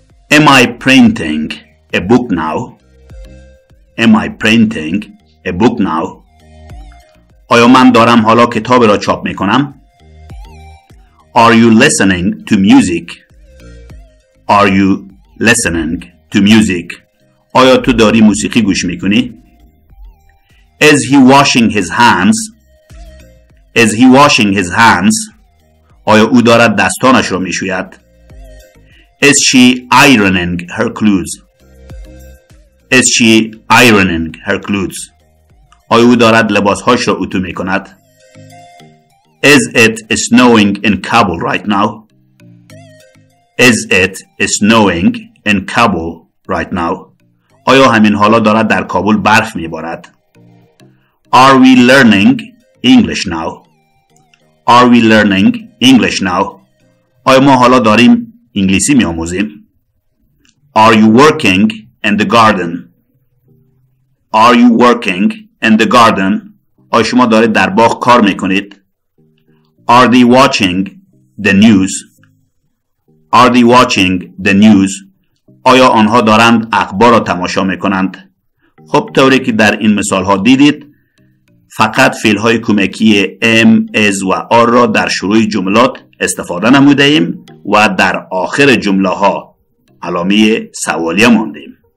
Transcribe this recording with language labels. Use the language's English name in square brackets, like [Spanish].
[English] Am I printing a book now? Am I printing a book now? [Persian] آیا من دارم حالا کتاب را چاپ می کنم؟ [English] Are you listening to music? Are you listening to music? [Persian] آیا تو داری موسیقی گوش می کنی؟ [English] Is he washing his hands? Is he washing his hands? [Persian] آیا او دارد دستانش را می شوید؟ [English] Is she ironing her clothes? Is she ironing her clothes? [Persian] آیا او دارد لباسهاش را اتو می کند؟ [English] Is it snowing in Kabul right now? Is it snowing in Kabul right now? [Persian] آیا همین حالا دارد در کابل برف می بارد؟ [English] Are we learning English now? Are we learning English now? [Persian] آیا ما حالا داریم انگلیسی می آموزیم؟ [English] Are you working in the garden? Are you working in the garden? [Persian] آیا شما دارید در باغ کار می کنید؟ [English] Are they watching the news? Are they watching the news? [Persian] آیا آنها دارند اخبار را تماشا می کنند؟ خب طوری که در این مثال ها دیدید فقط فعل های کمکی am, is و are را در شروع جملات استفاده نموده ایم و در آخر جمله ها علامه سوالیه مانده ایم.